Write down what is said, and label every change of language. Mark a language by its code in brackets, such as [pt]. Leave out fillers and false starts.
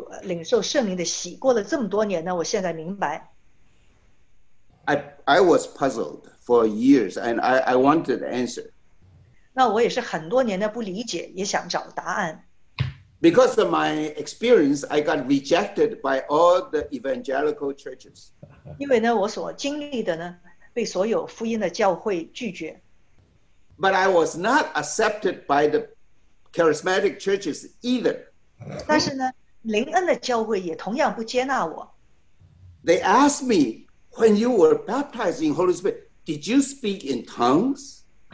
[zh] 就是呢,当我一开始呢,就领受圣灵的洗,过了这么多年呢,我现在明白。 [en] I was puzzled for years, and I wanted the answer. [zh] 那我也是很多年的不理解,也想找答案。 [en] Because of my experience, I got rejected by all the evangelical churches. [zh] 因为呢,我所经历的呢, 被所有福音的教会拒绝。 [en] But I was not accepted by the charismatic churches either. [zh] 但是呢,灵恩的教会也同样不接纳我。 [en] They asked me, when you were baptized in Holy Spirit, did you speak in tongues?